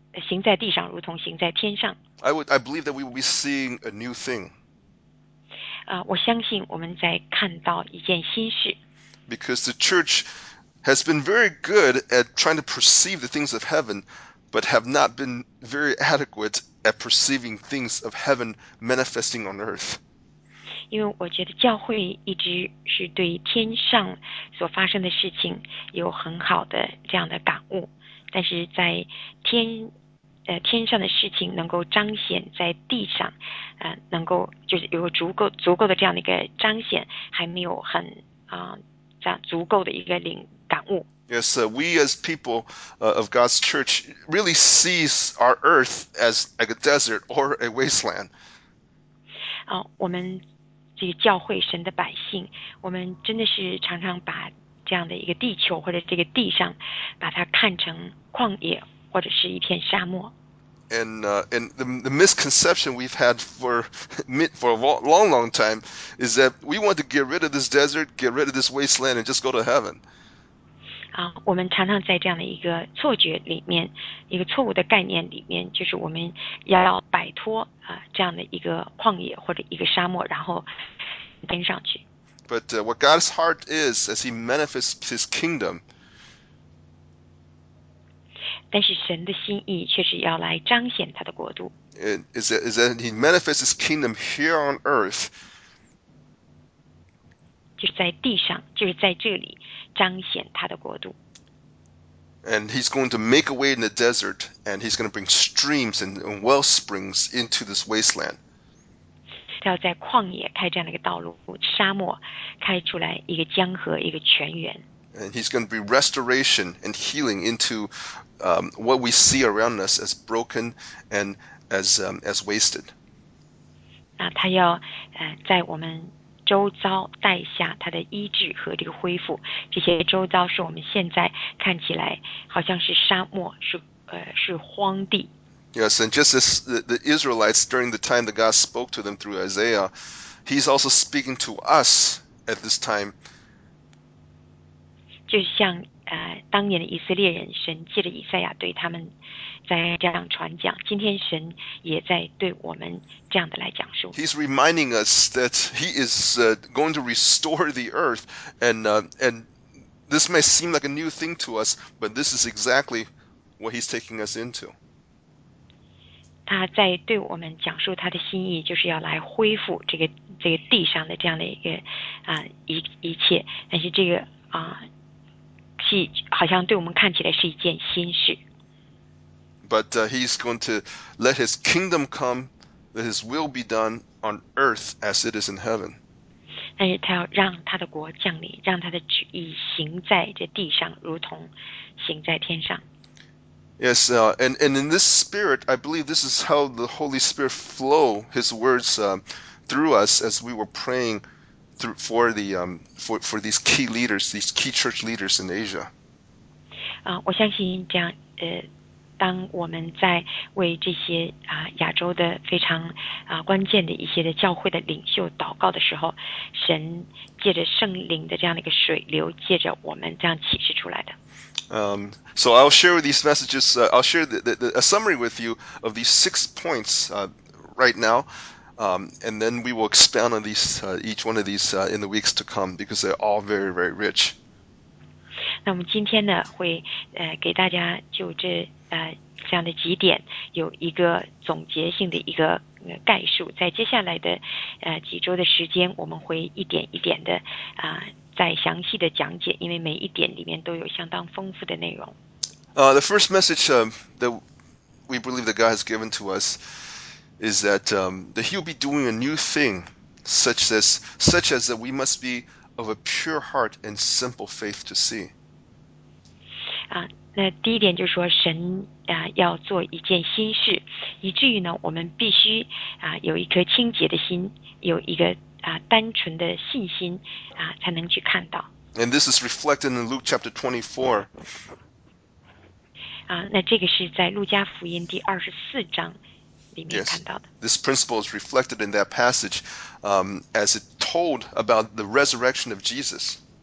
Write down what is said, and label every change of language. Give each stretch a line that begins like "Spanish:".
Chinese: 行在地上如同行在天上。
English: I believe that we will be seeing a new thing.
Chinese: 我相信我们在看到一件新事。
English: Because the church has been very good at trying to perceive the things of heaven, but have not been very adequate at perceiving things of heaven manifesting on earth.
Chinese: 因为我觉得教会一直是对天上所发生的事情有很好的这样的感悟。但是在天上的事情能够彰显在地上，能够就是有足够的这样的一个彰显，还没有很这样足够的一个感悟。
English: Yes, we as people of God's church really sees our earth as like a desert or a wasteland.
Chinese: 我们这个教会神的百姓，我们真的是常常把这样的一个地球或者这个地上把它看成旷野或者是一片沙漠。
English: And the misconception we've had for a long, long time is that we want to get rid of this desert, get rid of this wasteland, and just go to heaven.
Chinese: 我们常常在这样的一个错觉里面，一个错误的概念里面，就是我们要摆脱这样的一个旷野或者一个沙漠，然后登上去。
English: But what God's heart is, as He manifests His kingdom.
Chinese: 但是神的心意却是要来彰显他的国度。
English: Is that he manifests his kingdom here on earth?
Chinese: 就是在地上，就是在这里彰显他的国度。
English: And he's going to make a way in the desert, and he's going to bring streams and well springs into this wasteland.
Chinese: 要在旷野开这样的一个道路，沙漠开出来一个江河，一个泉源。
English: And he's going to bring restoration and healing into what we see around us as broken and as wasted.
Chinese: 他要在我们周遭带下他的医治和这个恢复。这些周遭是我们现在看起来好像是沙漠，是荒地。
English: Yes, and just as the Israelites during the time that God spoke to them through Isaiah, He's also speaking to us at this time.
Chinese: 就像当年的以色列人，神借着以赛亚对他们在这样传讲，今天神也在对我们这样的来讲述。
English: He's reminding us that he is going to restore the earth, and this may seem like a new thing to us, but this is exactly what he's taking us into.
Chinese: 他在对我们讲述他的心意，就是要来恢复这个地上的这样的一个一切，但是这个好像对我们看起来是一件新事。
English: But he's going to let his kingdom come, let his will be done on earth as it is in heaven.
Chinese: 但是他要让他的国降临，让他的旨意行在这地上，如同行在天上。
English: Yes, and in this spirit, I believe this is how the Holy Spirit flow his words through us as we were praying. For these key leaders, these key church leaders in Asia.
Chinese: 我相信这样，当我们在为这些亚洲的非常关键的一些的教会的领袖祷告的时候，神借着圣灵的这样的一个水流，借着我们这样启示出来的。
English: So I'll share these messages. I'll share a summary with you of these 6 points right now. And then we will expand on these, each one of these, in the weeks to come, because they're all very, very rich.
Chinese: 那我们今天呢，会给大家就这这样的几点有一个总结性的一个概述。在接下来的几周的时间，我们会一点一点的再详细的讲解，因为每一点里面都有相当丰富的内容。
English: The first message that we believe that God has given to us. Is that, that he will be doing a new thing, such as that we must be of a pure heart and simple faith to see.
Chinese: 那第一点就是说神要做一件新事，以至于呢我们必须有一颗清洁的心，有一个单纯的信心才能去看到。
English: And this is reflected in Luke chapter 24.
Chinese: 那这个是在路加福音第24章。
English: Yes, this principle is reflected in that passage, as it told about the resurrection of Jesus.